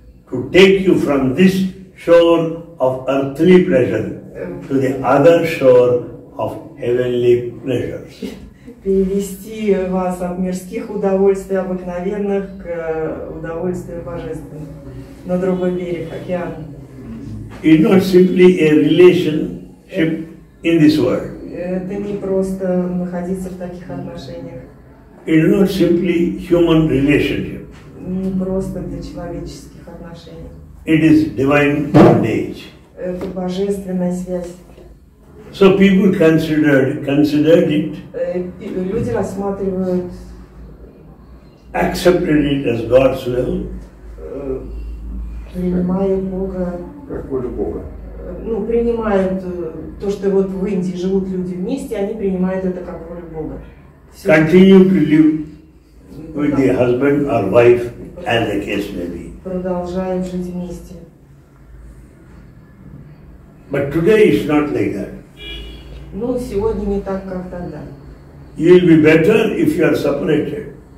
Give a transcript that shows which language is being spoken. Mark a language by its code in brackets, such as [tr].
[en] To take you from this shore of earthly pleasure to the other shore of heavenly pleasures. [ru] Перевести вас от мирских удовольствий обыкновенных к удовольствию божественных на другой берег океана. [en] It's not simply a relationship in this world. [ru] Это не просто находиться в таких отношениях. [en] It's not simply human relationship. [ru] Не просто для человеческих отношений. [en] It is divine bondage. [ru] Это божественная связь. [en] So people considered it. [ru] Люди рассматривают. [en] Accepted it as God's will. [ru] Принимают Бога. Как волю Бога. Ну, принимают то, что вот в Индии живут люди вместе, они принимают это как волю Бога. Все [en] continue to live with the husband or wife, as the case may be. [ru] Продолжают жить вместе. [en] But today it's not like that. [ru] Ну, сегодня не так, как тогда. [en] You'll be better if you are separated.